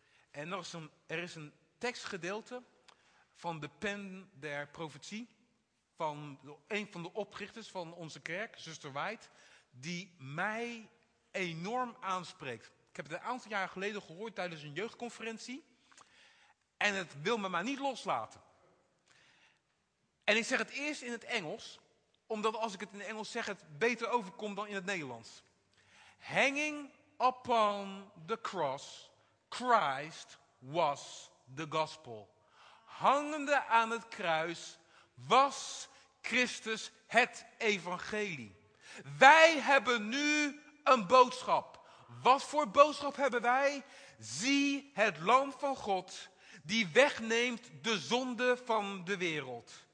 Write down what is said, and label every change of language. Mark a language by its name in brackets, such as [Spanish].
[Dutch] En er is een tekstgedeelte van de pen der profetie van een van de oprichters van onze kerk, zuster White, die mij enorm aanspreekt. Ik heb het een aantal jaar geleden gehoord tijdens een jeugdconferentie. En het wil me maar niet loslaten. En ik zeg het eerst in het Engels, omdat als ik het in het Engels zeg, het beter overkomt dan in het Nederlands. [English] Hanging upon the cross, Christ was the gospel. [Dutch] Hangende aan het kruis was Christus het evangelie. Wij hebben nu een boodschap. Wat voor boodschap hebben wij? Zie het Lam van God die wegneemt de zonde van de wereld.